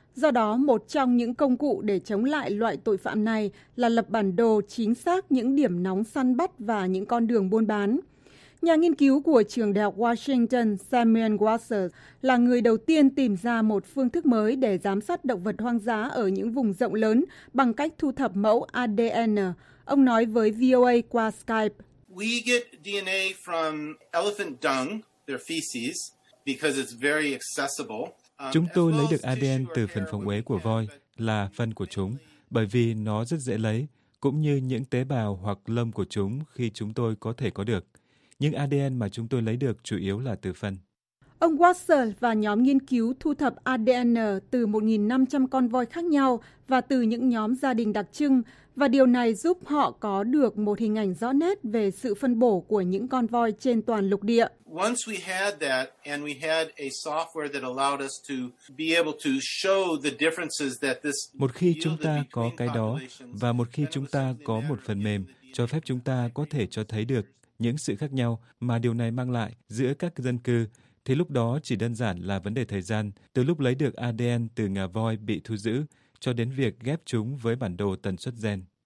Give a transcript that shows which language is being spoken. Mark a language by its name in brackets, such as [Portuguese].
[Vietnamese] Do đó, một trong những công cụ để chống lại loại tội phạm này là lập bản đồ chính xác những điểm nóng săn bắt và những con đường buôn bán. Nhà nghiên cứu của Trường Đại học Washington Samuel Wasser là người đầu tiên tìm ra một phương thức mới để giám sát động vật hoang dã ở những vùng rộng lớn bằng cách thu thập mẫu ADN. Ông nói với VOA qua Skype. [English] We get DNA from elephant dung, their feces, because it's very accessible. [Vietnamese] Chúng tôi lấy được ADN từ phần phòng uế của voi, là phân của chúng, bởi vì nó rất dễ lấy, cũng như những tế bào hoặc lông của chúng khi chúng tôi có thể có được. Nhưng ADN mà chúng tôi lấy được chủ yếu là từ phân. Ông Wasser và nhóm nghiên cứu thu thập ADN từ 1.500 con voi khác nhau và từ những nhóm gia đình đặc trưng, và điều này giúp họ có được một hình ảnh rõ nét về sự phân bổ của những con voi trên toàn lục địa. [English] Once we had that and we had a software that allowed us to be able to show the differences that this [Vietnamese] Một khi chúng ta có cái đó và một khi chúng ta có một phần mềm cho phép chúng ta có thể cho thấy được những sự khác nhau mà điều này mang lại giữa các dân cư, thì lúc đó chỉ đơn giản là vấn đề thời gian từ lúc lấy được ADN từ ngà voi bị thu giữ cho đến việc ghép chúng với bản đồ tần suất gen.